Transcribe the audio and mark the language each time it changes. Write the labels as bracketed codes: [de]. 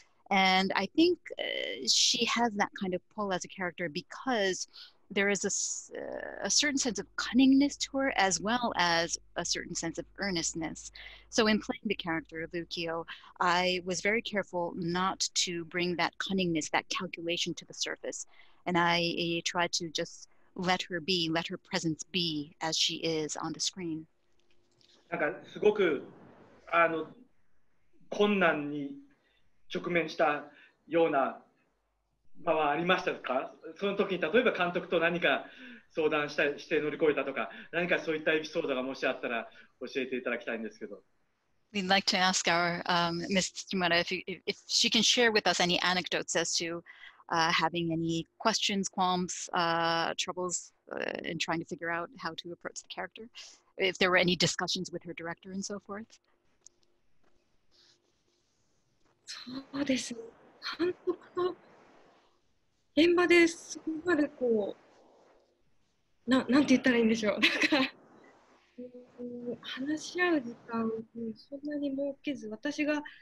[en] And I think she has that kind of pull as a character because there is a certain sense of cunningness to her as well as a certain sense of earnestness. So in playing the character of Ukiyo, I was very careful not to bring that cunningness, that calculation to the surface. And I tried to just let her be, let her presence be as she is on the screen. [ja] なんかすごくあの困難に直面したような場はありましたか？その時に例えば監督と何か相談したりして乗り越えたとか、何かそういったエピソードがもしあったら教えていただきたいんですけど。 [en] We'd like to ask our Ms. Tsujimura if she can share with us any anecdotes as to having any questions, qualms, troubles in trying to figure out how to approach the character. If there were any discussions with her director and so forth. [ja] そうですね、監督と現場でそこまでこう、なんて言ったらいいんでしょう、なんか話し合う時間をそんなに設けず、私がや